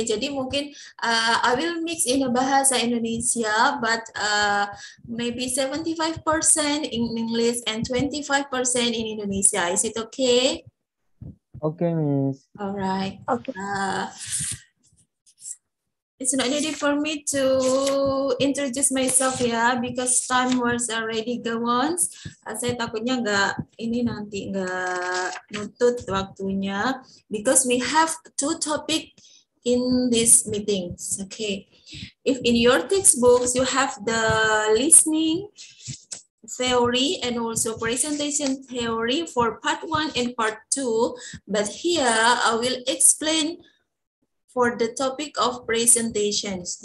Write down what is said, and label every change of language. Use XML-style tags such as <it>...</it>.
<id>Jadi mungkin</id> <en>I will mix in bahasa Indonesia, but maybe 75% in English and 25% in Indonesia. Is it okay? Okay, Miss. All right. Okay. It's not easy for me to introduce myself, yeah, because time was already gone.</en> <id>Saya takutnya nggak, ini nanti nggak nutut waktunya.</id> <en>Because we have two topic in this meeting, okay. If in your textbooks you have the listening theory and also presentation theory for part one and part two, but here I will explain for the topic of presentations.</en>